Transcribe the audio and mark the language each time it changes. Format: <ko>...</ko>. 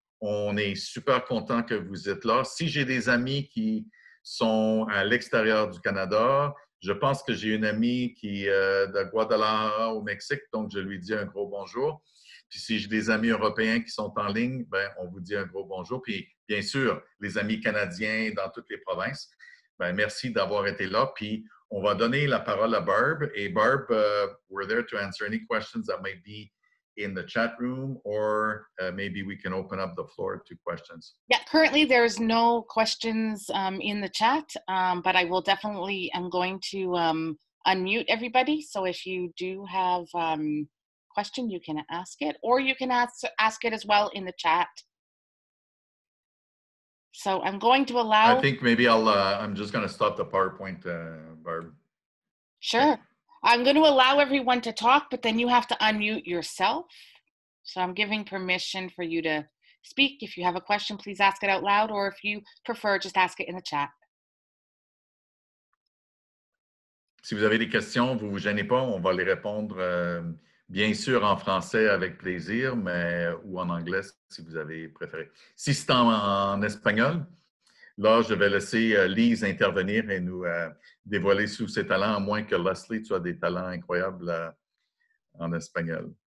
<fr>On est super content que vous êtes là. Si j'ai des amis qui sont à l'extérieur du Canada, je pense que j'ai une amie qui est de Guadalajara au Mexique, donc je lui dis un gros bonjour. Puis si j'ai des amis européens qui sont en ligne, ben on vous dit un gros bonjour. Puis bien sûr, les amis canadiens dans toutes les provinces, ben merci d'avoir été là. Puis on va donner la parole à Barb.</fr> <en>Et Barb, we're there to answer any questions that might be in the chat room, or maybe we can open up the floor to questions. Yeah, currently there's no questions in the chat, but I will definitely, I'm going to unmute everybody. So if you do have a question, you can ask it, or you can ask it as well in the chat. So I'm going to allow... I think maybe I'll, I'm just going to stop the PowerPoint, Barb. Sure. Okay. I'm going to allow everyone to talk, but then you have to unmute yourself. So I'm giving permission for you to speak. If you have a question, please ask it out loud, or if you prefer, just ask it in the chat.</en> <fr>Si vous avez des questions, vous vous gênez pas, on va les répondre bien sûr en français avec plaisir, mais ou en anglais si vous avez préféré. Si c'est en espagnol, là, je vais laisser Lise intervenir et nous dévoiler sous ses talents, à moins que Leslie, tu as des talents incroyables en espagnol.</fr>